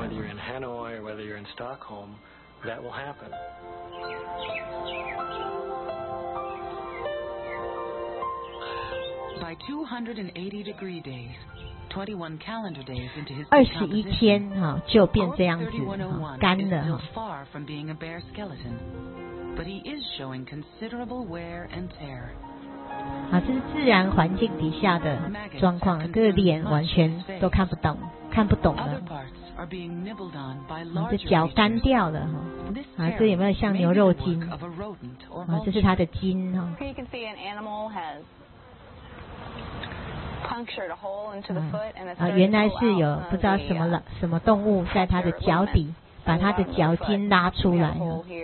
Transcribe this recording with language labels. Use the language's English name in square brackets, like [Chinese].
[English] Whether you're in Hanoi or whether you're in Stockholm, that will happen. By 280 degree days, 21 calendar days into his [Chinese] 21天哈就变这样子干的哈。 [English] Far from being a bare skeleton, but he is showing considerable wear and tear. [Chinese] 啊，这是自然环境底下的状况，这个脸完全都看不懂了。 [English] Other parts are being nibbled on by larger. [Chinese] 这脚干掉了哈。啊，这有没有像牛肉筋？啊，这是它的筋哈。 [English] Here you can see an animal has. Punctured a hole into the foot, and [Chinese] 原来是有不知道什么了什么动物在他的脚底把他的脚筋拉出来了。